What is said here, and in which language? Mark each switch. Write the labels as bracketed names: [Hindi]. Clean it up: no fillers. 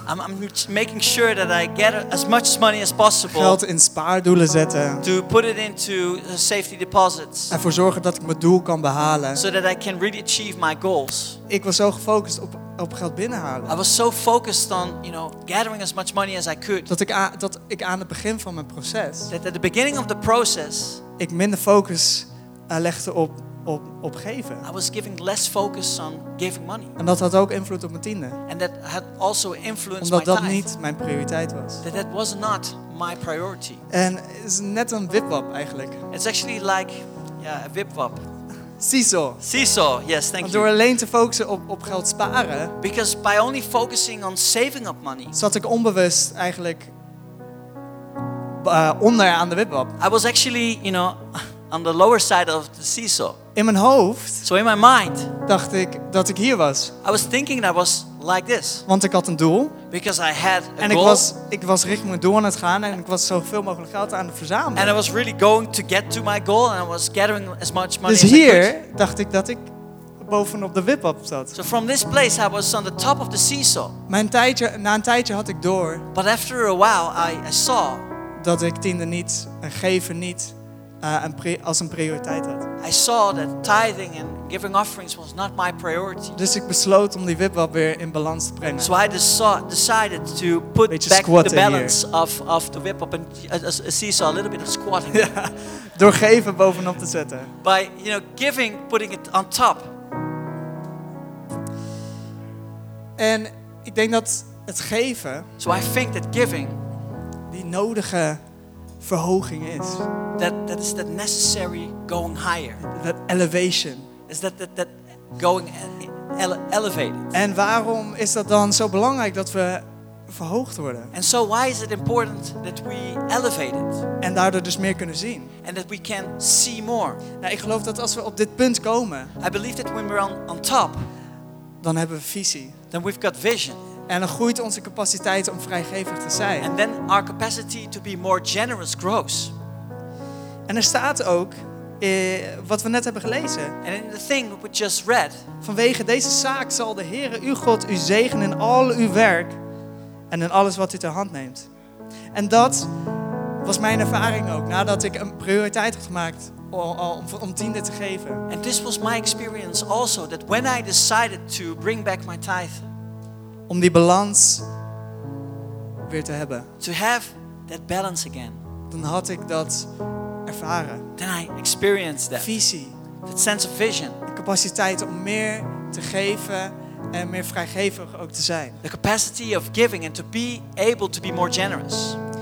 [English] I'm making sure that I get as much money as possible. [Dutch] Geld in spaardoelen zetten. [English] To put it into safety deposits. [Dutch] En voor zorgen dat ik mijn doel kan behalen. [English] So that I can really achieve my goals. [Dutch] Ik was zo gefocust op geld binnenhalen. [English] I was so focused on, you know, gathering as much money as I could. [Dutch] Dat ik aan het begin van mijn proces. [English] That at the beginning of the process. [Dutch] Ik minder focus legde op geven. [English] I was giving less focus on giving money. [Dutch] En dat had ook invloed op mijn tiende. [English] And that had also influenced [Dutch] omdat [English] my [Dutch] dat tithe. Niet mijn prioriteit was. [English] That was not my priority. [Dutch] En is net een wipwap eigenlijk. [English] It's actually like, yeah, a wipwap. Seesaw, yes, thank you. [Dutch] Door alleen te focussen op geld sparen. [English] Because by only focusing on saving up money. [Dutch] Zat ik onbewust eigenlijk onder aan de wipwap. [English] I was actually, you know, on the lower side of the seesaw. [Dutch] In mijn hoofd. [English] So in my mind. [Dutch] Dacht ik dat ik hier was. [English] I was thinking that I was like this. [Dutch] Want ik had een doel. [English] Because I had a goal. [Dutch] En ik was richting mijn doel aan het gaan en ik was zoveel mogelijk geld aan het verzamelen. [English] And I was really going to get to my goal and I was gathering as much money [Dutch] dus [English] as I could. [Dutch] Dus hier dacht ik dat ik bovenop de wipwap zat. [English] So from this place I was on the top of the seesaw. [Dutch] Na een tijdje had ik door. [English] But after a while I saw [Dutch] dat ik tiende niet en geven niet als een prioriteit had. [English] I saw that tithing and giving offerings was not my priority. [Dutch] Dus ik besloot om die wipwap weer in balans te brengen. [English] So I decided to put back the balance of the wipwap and a seesaw, a little bit of squatting. [Dutch] Ja, door geven bovenop te zetten. [English] By, you know, giving, putting it on top. [Dutch] En ik denk dat het geven. [English] So I think that giving. [Dutch] Die nodige verhoging is. [English] That is that necessary going higher. That elevation. Is that going elevated. [Dutch] En waarom is dat dan zo belangrijk dat we verhoogd worden? [English] And so why is it important that we elevate it? [Dutch] En daardoor dus meer kunnen zien. [English] And that we can see more. [Dutch] Nou, ik geloof dat als we op dit punt komen. [English] I believe that when we're on top. [Dutch] Dan hebben we visie. [English] Then we've got vision. [Dutch] En dan groeit onze capaciteit om vrijgevig te zijn. [English] And then our capacity to be more generous grows. [Dutch] En er staat ook wat we net hebben gelezen. [English] And in the thing we just read. [Dutch] Vanwege deze zaak zal de Heere uw God u zegenen in al uw werk. En in alles wat u ter hand neemt. En dat was mijn ervaring ook. Nadat ik een prioriteit had gemaakt om tiende te geven. [English] And this was my experience also. That when I decided to bring back my tithe. [Dutch] Om die balans weer te hebben. [English] To have that balance again. [Dutch] Dan had ik dat ervaren. [English] Then I experienced that. [Dutch] Visie. [English] That sense of vision. [Dutch] De capaciteit om meer te geven en meer vrijgevig ook te zijn. [English] The capacity of giving and to be able to be more generous.